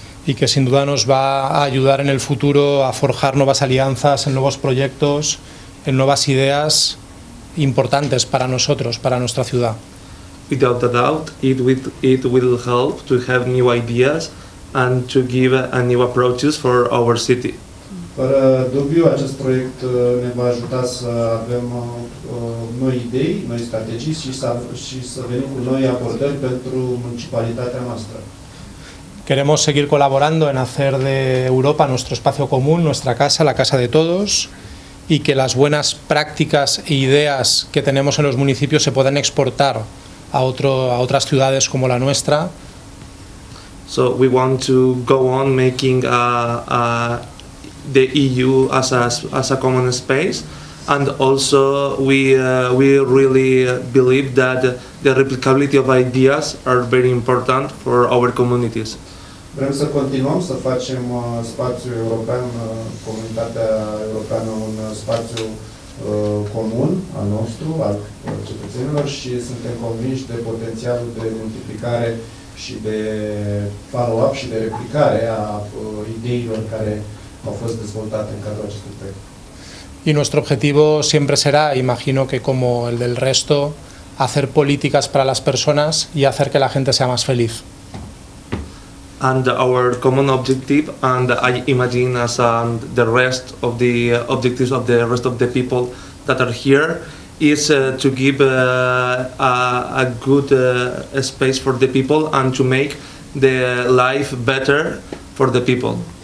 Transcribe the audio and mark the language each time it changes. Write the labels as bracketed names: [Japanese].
[Spanish] Y que sin duda nos va a ayudar en el futuro a forjar nuevas alianzas, en nuevos proyectos, en nuevas ideas importantes para nosotros, para nuestra ciudad. [English] Without a doubt, it will help to have new ideas and to give a new approaches for our city. [Romanian] Fără dubiu, acest proiect ne va ajuta să avem noi idei, noi strategii și să venim cu noi abordări pentru municipalitatea noastră. [Spanish] Queremos seguir colaborando en hacer de Europa nuestro espacio común, nuestra casa, la casa de todos, y que las buenas prácticas e ideas que tenemos en los municipios se puedan exportar a otras ciudades como la nuestra. [English] So we want to go on making the EU as a common space, and also we really believe that the replicability of ideas are very important for our communities. [Romanian] Vrem să continuăm să facem spațiul european, comunitatea europeană, un spațiu comun al nostru, al cetățenilor și suntem convinși de potențialul de multiplicare și de follow-up și de replicare a ideilor care au fost dezvoltate în cadrul acestui proiect. [Spanish] Y nuestro objetivo siempre será, imagino que como el del resto, hacer políticas para las personas y hacer que la gente sea más feliz. [English] And our common objective, and I imagine as the rest of the objectives of the rest of the people that are here, is to give a good space for the people and to make the life better for the people.